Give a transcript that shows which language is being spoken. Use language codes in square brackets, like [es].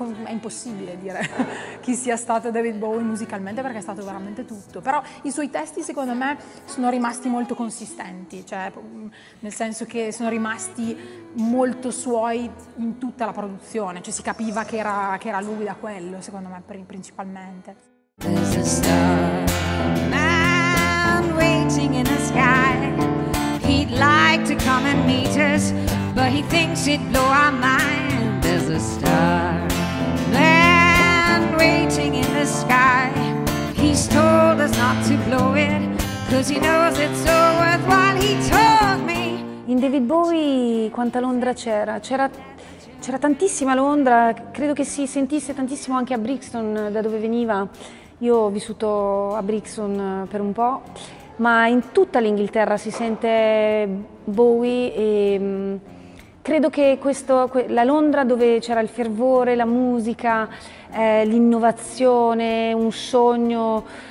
[it] È impossibile dire chi sia stato David Bowie musicalmente, perché è stato veramente tutto. Però i suoi testi, secondo me, sono rimasti molto consistenti, cioè nel senso che sono rimasti molto suoi in tutta la produzione, cioè si capiva che era lui da quello, secondo me, principalmente. [en] There's a star man waiting in the sky. He'd like to come and meet us, but he thinks he'd blow our mind. There's a star man waiting in the sky. He's told us not to blow it, 'cause he knows it's so worthwhile. He told me. [it] In David Bowie quanta Londra c'era? C'era tantissima Londra, credo che si sentisse tantissimo anche a Brixton, da dove veniva. Io ho vissuto a Brixton per un po', ma in tutta l'Inghilterra si sente Bowie e credo che questo, la Londra dove c'era il fervore, la musica, l'innovazione, un sogno